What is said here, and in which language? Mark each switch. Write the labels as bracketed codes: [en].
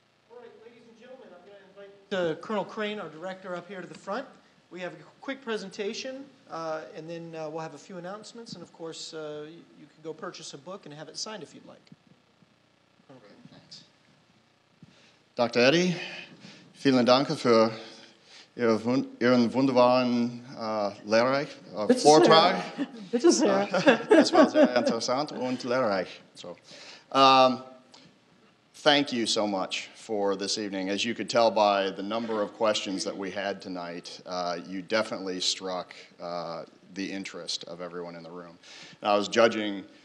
[en] All right, ladies and gentlemen, I'm going to invite Colonel Crane, our director, up here to the front. We have a quick presentation, and then we'll have a few announcements. And, of course, you can go purchase a book and have it signed if you'd like. Dr. [de] Eddy, vielen Dank für Ihren wunderbaren lehrreich Vortrag. Bitte sehr. Das war sehr interessant und lehrreich. [en] So, thank you so much for this evening. As you could tell by the number of questions that we had tonight, you definitely struck the interest of everyone in the room. And I was judging.